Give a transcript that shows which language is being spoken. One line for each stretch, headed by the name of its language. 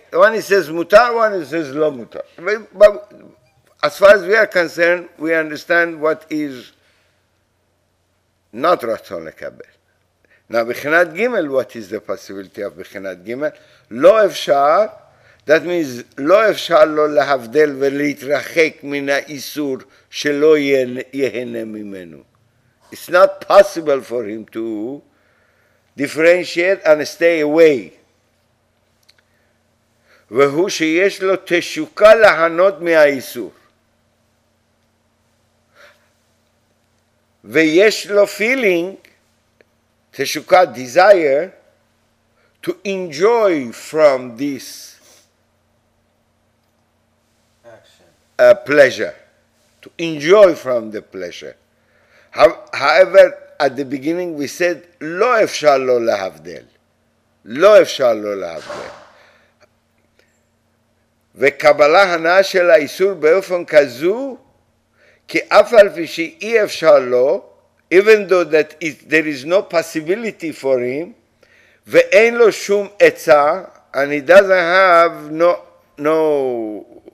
English: One he says mutar, one he says lo mutar. But as far as we are concerned, we understand what is not ratzon lekabel. Now, bichinat gimel, what is the possibility of bichinat gimel?
Hebrew: Lo efshar,
English: That means
Hebrew: לא אפשר לא להבדל ולהתרחק מן האיסור שלא יהנה ממנו.
English: It's not possible for him to differentiate and stay away.
Hebrew: והוא שיש לו תשוקה להנות מהאיסור. ויש לו
English: feeling, תשוקה desire, to enjoy from this pleasure, to enjoy from the pleasure. However, at the beginning we said,
Hebrew: לא אפשר לא להבדל. לא אפשר לא להבדל. וקבלה הנאה של האיסור באופן כזו, כי אף על פי שאי אפשר לו,
English: even though that it, there is no possibility for him,
Hebrew: ואין לו שום עצה,
English: and he doesn't have no